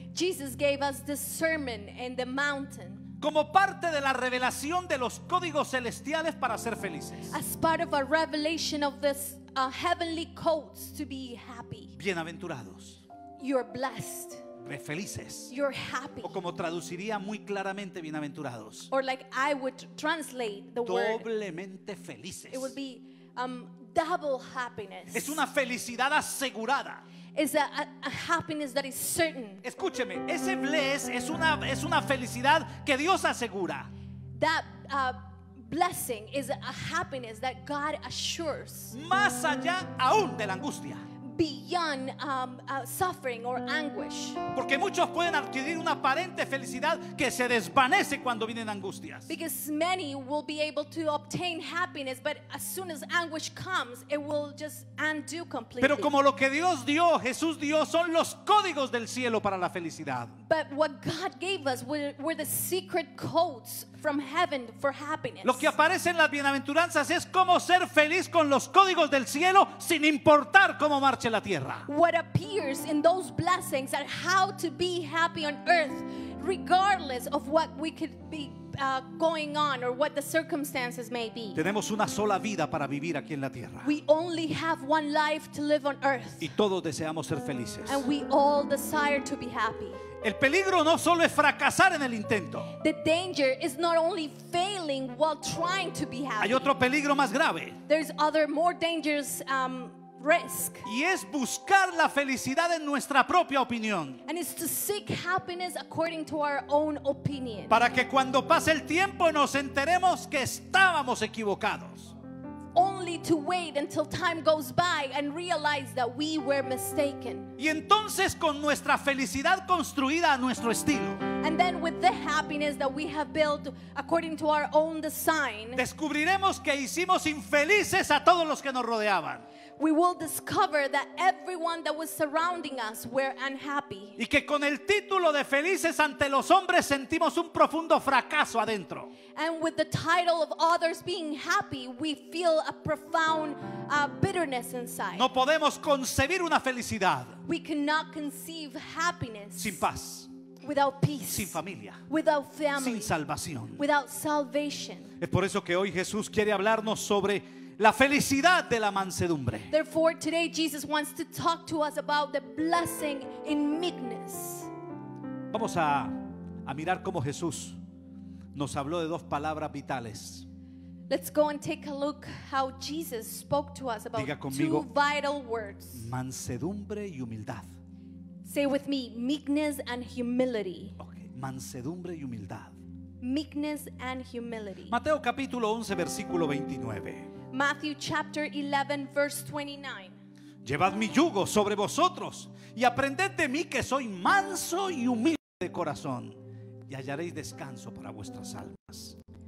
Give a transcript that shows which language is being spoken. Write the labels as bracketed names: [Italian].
[English] Jesus gave us this sermon in the mountain. [Spanish] Como parte de la revelación de los códigos celestiales para ser felices. [English] As part of a revelation of this heavenly codes to be happy. [Spanish] Bienaventurados. [English] You're blessed. [Spanish] Felices. [English] You're happy. [Spanish] O como traduciría muy claramente bienaventurados. [English] Or like I would translate the [Spanish] doblemente Doblemente felices. [English] It would be double happiness. [Spanish] Es una felicidad asegurada. [English] Is a happiness that is certain. [Spanish] Escúcheme, ese bless es una felicidad que Dios asegura. [English] That blessing is a happiness that God assures. [Spanish] Más allá aún de la angustia. [English] Beyond suffering or anguish. [Spanish] Porque muchos pueden adquirir una aparente felicidad que se desvanece cuando vienen angustias. [English] Because many will be able to obtain happiness, but as soon as anguish comes, it will just undo completely. [Spanish] Pero como lo que Dios dio, Jesús dio, son los códigos del cielo para la felicidad. [English] But what God gave us were the secret codes from heaven for happiness. [Spanish] Lo que aparece en las bienaventuranzas es cómo ser feliz con los códigos del cielo sin importar cómo marche la tierra. [English] What appears in those blessings are how to be happy on earth regardless of what we could be going on or what the circumstances may be. [Spanish] Tenemos una sola vida para vivir aquí en la tierra. [English] We only have one life to live on earth. [Spanish] Y todos deseamos ser felices. [English] And we all desire to be happy. [Spanish] El peligro no solo es fracasar en el intento. [English] The danger is not only failing while trying to be happy. [Spanish] Hay otro peligro más grave. [English] There's other more dangerous risk. [Spanish] Y es buscar la felicidad en nuestra propia opinión. [English] And it's to seek happiness according to our own opinion. [Spanish] Para que cuando pase el tiempo nos enteremos que estábamos equivocados. [English] Only to wait until time goes by and realize that we were mistaken. [Spanish] Y entonces con nuestra felicidad construida a nuestro estilo. [English] And then with the happiness that we have built according to our own design. [Spanish] Descubriremos que hicimos infelices a todos los que nos rodeaban. [English] We will discover that everyone that was surrounding us were unhappy. [Spanish] Y que con el título de felices ante los hombres sentimos un profundo fracaso adentro. [English] And with the title of others being happy, we feel a profound bitterness inside. [Spanish] No podemos concebir una felicidad. [English] We cannot conceive happiness. [Spanish] Sin paz. [English] Without peace. [Spanish] Sin familia. [English] Without family. [Spanish] Sin salvación. [English] Without salvation. [Spanish] Es por eso que hoy Jesús quiere hablarnos sobre la felicidad de la mansedumbre. [English] Therefore, today Jesus wants to talk to us about the blessing in meekness. [Spanish] Vamos a a mirar cómo Jesús nos habló de dos palabras vitales. [English] Let's go and take a look how Jesus spoke to us about [Spanish] conmigo, [English] two vital words. [Spanish] Mansedumbre y humildad. [English] Say with me, meekness and humility. [Spanish] Okay, mansedumbre y humildad. [English] Meekness and humility. [Spanish] Mateo capítulo 11 versículo 29. [English] Matthew chapter 11 verse 29. [Spanish] Llevad mi yugo sobre vosotros y aprended de mí que soy manso y humilde de corazón y hallaréis descanso para vuestras almas.